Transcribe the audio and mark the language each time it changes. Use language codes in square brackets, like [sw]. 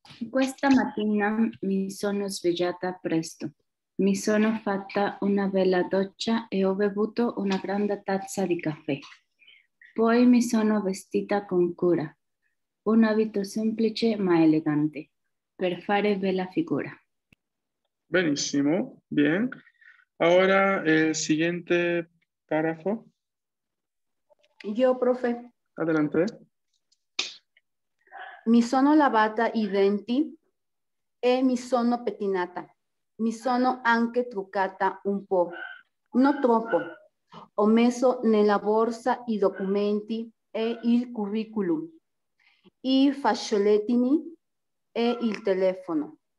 [it] Questa mattina mi sono svegliata presto. Mi sono fatta una bella doccia e ho bevuto una grande tazza di caffè. Poi mi sono vestita con cura, un abito semplice ma elegante, per fare bella figura. Benissimo, bien. [es] Ahora el siguiente párrafo. Yo, profe. Adelante. [it] Mi sono lavata i denti e mi sono pettinata. Mi sono anche truccata un po', non troppo. Ho messo nella borsa i documenti e il curriculum, i fazzolettini e il telefono.